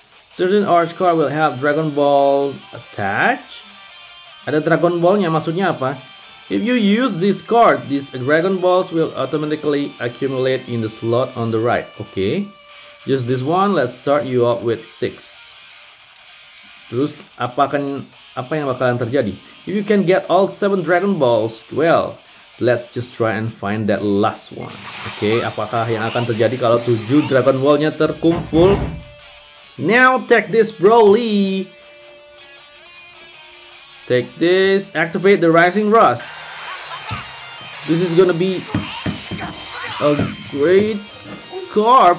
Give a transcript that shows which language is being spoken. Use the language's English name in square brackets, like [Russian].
[English] Certain arch card will have Dragon Ball attach. [Indonesian] Ada Dragon Ball-nya maksudnya apa? [English] If you use this card, these Dragon Balls will automatically accumulate in the slot on the right. Okay. Use this one, let's start you up with 6. [Indonesian] Terus apa yang bakalan terjadi? [English] If you can get all 7 Dragon Balls, well, let's just try and find that last one. [Indonesian] Okay, apakah yang akan terjadi kalau 7 Dragon Ball-nya terkumpul? [English] Now take this Broly. Take this, activate the Rising Rush. This is gonna be a great card.